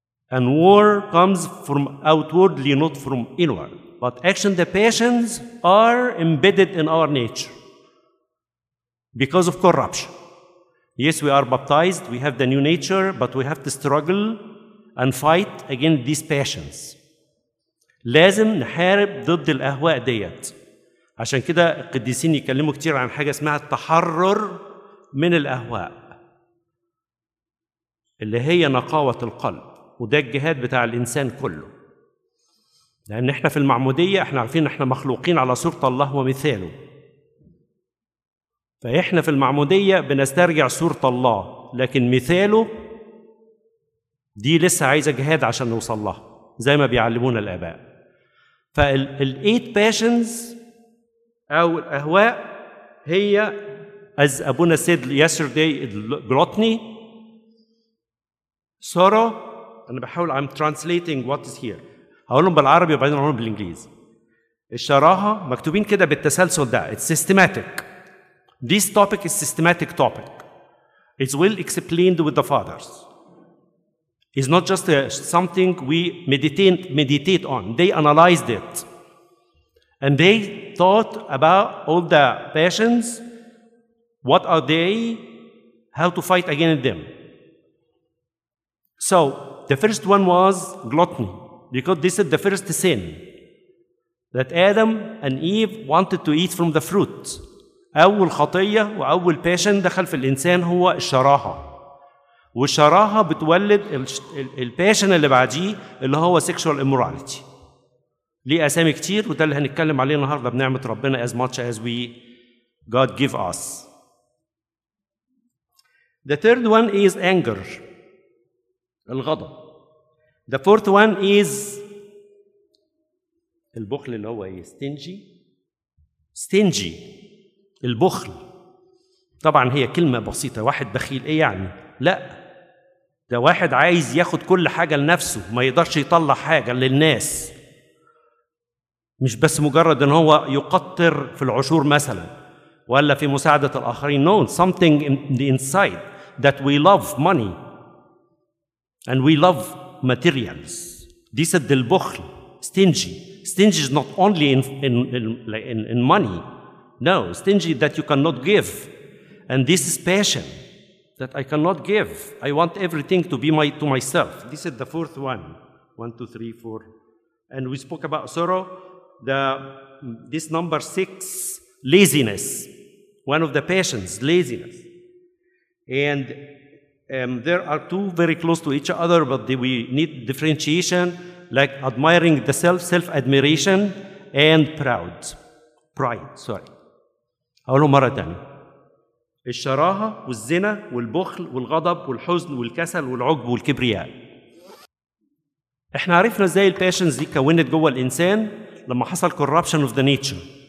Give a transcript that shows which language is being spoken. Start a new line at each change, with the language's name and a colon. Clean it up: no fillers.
English: And war comes from outwardly, not from inward. But actually, the passions are embedded in our nature because of corruption. Yes, we are baptized, we have the new nature, but we have to struggle and fight against these passions.
Arabic: لازم نحارب ضد الأهواء ديت. عشان كده القديسين يكلموا كتير عن حاجة اسمها التحرر من الأهواء، اللي هي نقاوة القلب. وده الجهاد بتاع الإنسان كله، لأن إحنا في المعمودية إحنا عارفين إحنا مخلوقين على صورة الله ومثاله. فإحنا في المعمودية بنسترجع صورة الله، لكن مثاله دي لسه عايزة جهاد عشان نوصل لها زي ما بيعلمونا الآباء. فالإيت باشنز أو الأهواء هي أز أبونا سيد يسترداي جلوتني سارة. أنا بحاول
English: I'm translating what is here.
Arabic: هقولهم بالعربي وبعدين هقولهم بالإنجليزي. الشراهة مكتوبين كده بالتسلسل ده.
English: It's systematic. This topic is systematic topic. It's well explained with the fathers. It's not just something we meditate on. They analyzed it. And they thought about all the passions. What are they? How to fight against them? So, the first one was gluttony, because this is the first sin that Adam and Eve wanted to eat from the fruit.
Arabic: أول خطية وأول passion دخل في الإنسان هو الشراهة. والشراهة بتولد الpassion اللي بعديه اللي هو
English: sexual immorality.
Arabic: ليه أسامي كتير وده اللي هنتكلم عليه النهاردة بنعمة ربنا
English: as much as we God give us. The third one is anger. الغضب. The fourth one is
Arabic: البخل اللي هو إيه؟
English: stingy.
Arabic: Stingy. البخل. طبعا هي كلمة بسيطة. واحد بخيل إيه يعني؟ لا. ده واحد عايز ياخد كل حاجة لنفسه، ما يقدرش يطلع حاجة للناس. مش بس مجرد إن هو يقطر في العشور مثلا ولا في مساعدة الآخرين.
English: No, something in the inside that we love money and we love materials. This is the البخل. Stingy. Stingy is not only in money. No, stingy that you cannot give. And this is passion that I cannot give. I want everything to be my, to myself. This is the fourth one. One, two, three, four. And we spoke about sorrow. This number six, laziness. One of the passions, laziness. And there are two very close to each other, but we need differentiation, like admiring the self, self-admiration, and proud. Pride, sorry.
Arabic: أقوله مرة تانية. الشراهة والزنا والبخل والغضب والحزن والكسل والعجب والكبرياء. إحنا عرفنا إزاي الباشنز دي كونت جوه الإنسان لما حصل
English: corruption of the nature.